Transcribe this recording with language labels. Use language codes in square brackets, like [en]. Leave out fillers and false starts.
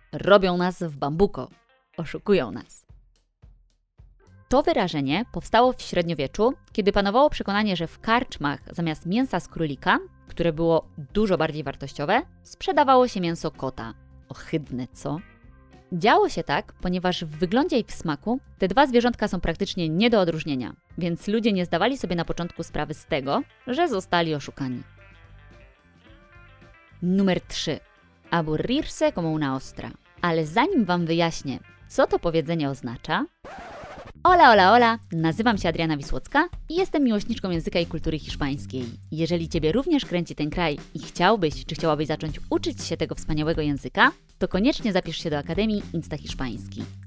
[pl] Robią nas w bambuko! Oszukują nas! To wyrażenie powstało w średniowieczu, kiedy panowało przekonanie, że w karczmach zamiast mięsa z królika, które było dużo bardziej wartościowe, sprzedawało się mięso kota. Ohydne, co? Działo się tak, ponieważ w wyglądzie i w smaku te dwa zwierzątka są praktycznie nie do odróżnienia, więc ludzie nie zdawali sobie na początku sprawy z tego, że zostali oszukani. Numer 3. [es] Aburrirse como una ostra. [pl] Ale zanim Wam wyjaśnię, co to powiedzenie oznacza... [es] Hola, hola, hola! [pl] Nazywam się Adriana Wisłocka i jestem miłośniczką języka i kultury hiszpańskiej. Jeżeli Ciebie również kręci ten kraj i chciałbyś, czy chciałabyś zacząć uczyć się tego wspaniałego języka, to koniecznie zapisz się do Akademii Insta Hiszpański.